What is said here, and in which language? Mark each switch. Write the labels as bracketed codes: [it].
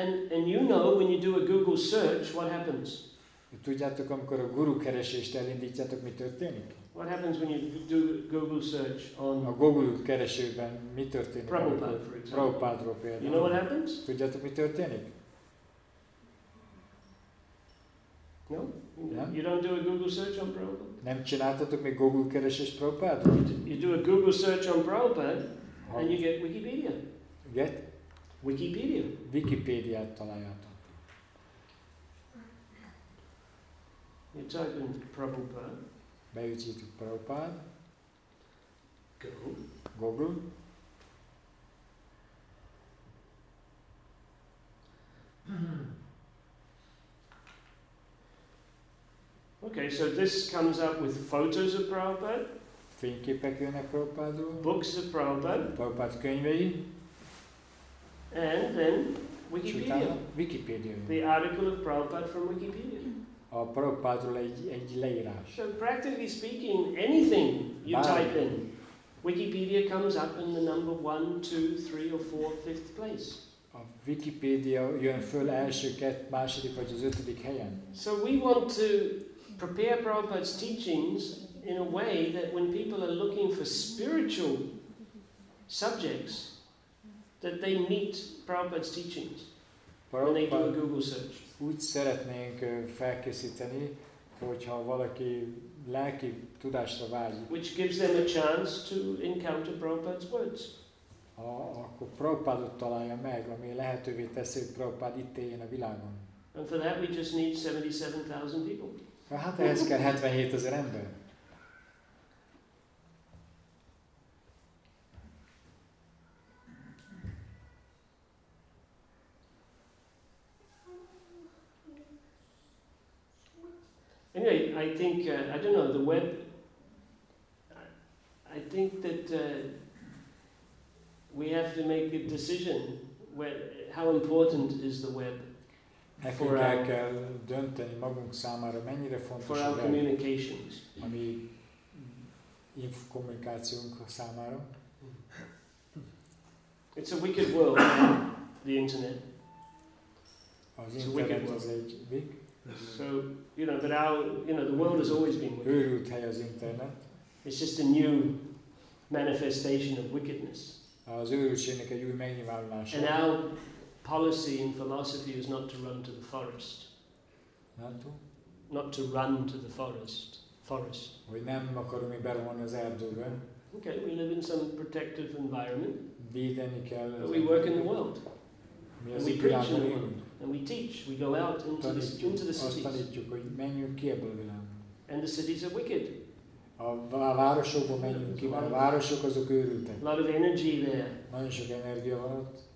[en] And you know when you do a Google search, what happens? [hu] Tudjátok, amikor a guru keresést elindítjátok, mi történik? [en] What happens when you do Google search on [hu] a Google keresőben mi történik? [en] Prabhupada, for example. You know what happens? [hu] Tudjátok, mi történik? [en] No? [hu] Nem? [en] You don't do a Google search on Prabhupada? [hu] Nem csináltatok még Google keresést Prabhupada? [en] You do a Google search on Prabhupada, and you get Wikipedia. Get? Wikipedia. [hu] Wikipedia-t találjátok. [en] You type in Prabhupada. [hu] Beütjétek Prabhupada. [en] Google. Okay, so this comes up with photos of Prabhupada. [hu] Fényképek jönnek Prabhupádról. [en] Books of Prabhupada. [hu] Prabhupád könyvei. [en] And then Wikipedia. Wikipedia. The article of Prabhupada from Wikipedia. [hu] A Prabhupádról egy leírás. [en] So practically speaking, anything you type in, Wikipedia comes up in the number 1, 2, 3 or 4, 5th place. [hu] A Wikipedia jön föl első, második vagy az ötödik helyen. [en] So we want to prepare Prabhupada's teachings in a way that when people are looking for spiritual subjects, that they meet Prabhupada's teachings when they do a Google search. [hu] Úgy szeretnénk felkészíteni, hogyha valaki lelki tudásra vágyik. [en] Which gives them a chance to encounter Prabhupada's words. [hu] Akkor Prabhupádot találja meg, ami lehetővé teszi, hogy Prabhupád itt éljen a világon. [en] And for that we just need 77,000 people. [hu] Hát ehhez kell 77,000 ember. [en] Anyway, I think I don't know the web. I think that we have to make a decision. How important is the web for our? [hu] Nekünk kell dönteni magunk számára, mennyire fontos [en] for our communications. [hu] Ami infokommunikációnk számára. [en] It's a wicked world, the internet. [hu] Az internet az egy wicked. [en] So, you know, but the world has always been wicked. [hu] Őrült hely az internet. [en] It's just a new manifestation of wickedness. [hu] Az őrültségnek egy új megnyilvánulása. [en] And our policy and philosophy is not to run to the forest. Not to run to the forest. [hu] Hogy nem akarunk még berohanni az erdőbe. [en] Okay, we live in some protective environment. [hu] Védeni kell. [en] But we work in the world. [hu] Mi az világban élünk. [en] And we teach, we go out into the cities. [hu] Azt tanítjuk, hogy menjünk ki ebből a világba. [en] And the cities are wicked. [hu] A városokba menjünk ki, mert a városok azok őrültek. [en] A lot of energy there. [hu] Nagyon sok energia van ott.